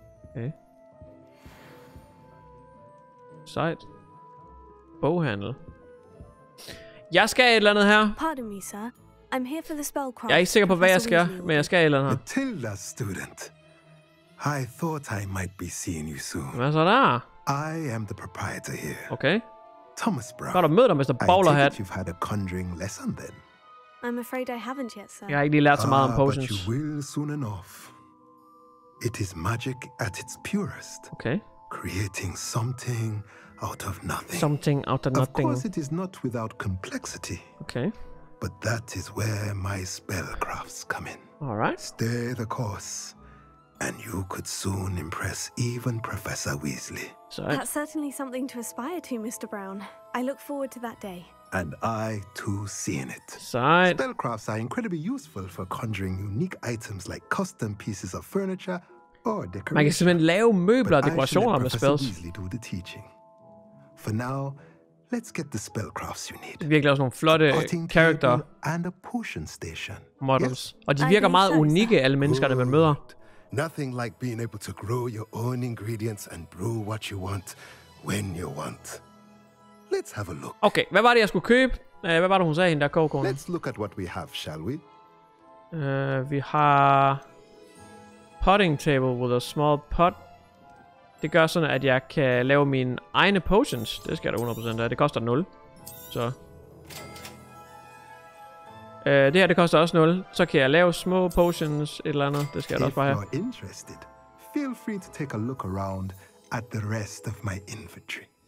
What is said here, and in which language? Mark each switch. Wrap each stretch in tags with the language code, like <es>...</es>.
<en>Okay.</en> <da>Sejt. Boghandel. Jeg skal et eller andet her.</da> <en>Pardon me, sir. I'm here for the spellcraft.</en> <da>Jeg er ikke sikker på, hvad jeg skal, men jeg skal et eller andet her.</da> <en>Matilda, student. I thought I might be seeing you soon.</en> <da>Hvad så der?</da> <en>I am the proprietor here. Okay. Thomas Brown.</en> <da>Godt at møde dig, Mr. Bowlerhat.</da> <en>I think you've had a conjuring lesson then. I'm afraid I haven't yet, sir.</en> <da>Jeg har ikke lige lært så meget om potions.</da> <en>But you will soon enough. It is magic at its purest. Okay. Creating something out of nothing. Something out of nothing. Of course, it is not without complexity. Okay. But that is where my spellcrafts come in. All right. Stay the course, and you could soon impress even Professor Weasley. Sorry. That's certainly something to aspire to, Mr. Brown. I look forward to that day. And I, too, seeing it. Sorry. Spellcrafts are incredibly useful for conjuring unique items like custom pieces of furniture or decoration.</en> <da>Man kan simpelthen lave møbler og dekorationer med spells.</da> <en>But I let Professor Weasley do the teaching. For now, let's get the spellcrafts you need.</en> <da>Det virker også nogle flotte character</da> <en>and a potion station. Models. Yes.</en> <da>Og de virker meget unikke, alle mennesker, der man møder.</da> <en>Nothing like being able to grow your own ingredients and brew what you want when you want. Let's have a look.</en> <da>Okay, hvad var det jeg skulle købe? Hvad var det hun sagde hende der kogkone?</da> <en>Let's look at what we have, shall we?</en> <da>Vi har</da> <en>potting table with a small pot.</en> <da>Det gør sådan, at jeg kan lave mine egne potions. Det skal der 100% af. Det koster 0. Så. Det her, det koster også 0. Så kan jeg lave små potions, et eller andet. Det skal jeg også bare have.</da> <en>If you're interested, feel free to take a look around at the rest of my inventory.</en>